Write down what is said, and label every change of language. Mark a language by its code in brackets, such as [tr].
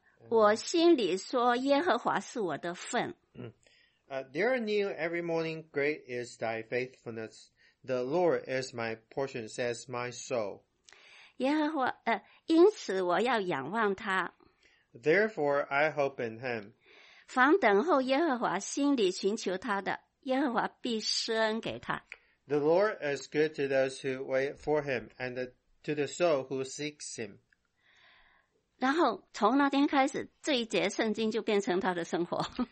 [zh] 我心里说耶和华是我的份。 [en] There are new every morning, great is thy faithfulness. The Lord is my portion, says my soul. [zh] 耶和华，因此我要仰望他。 [en] Therefore, I hope in him. [zh] 凡等候耶和华心里寻求他的，耶和华必施恩给他。 [en] The Lord is good to those who wait for him, and to the soul who seeks him. [zh] 然后从那天开始，这一节圣经就变成他的生活。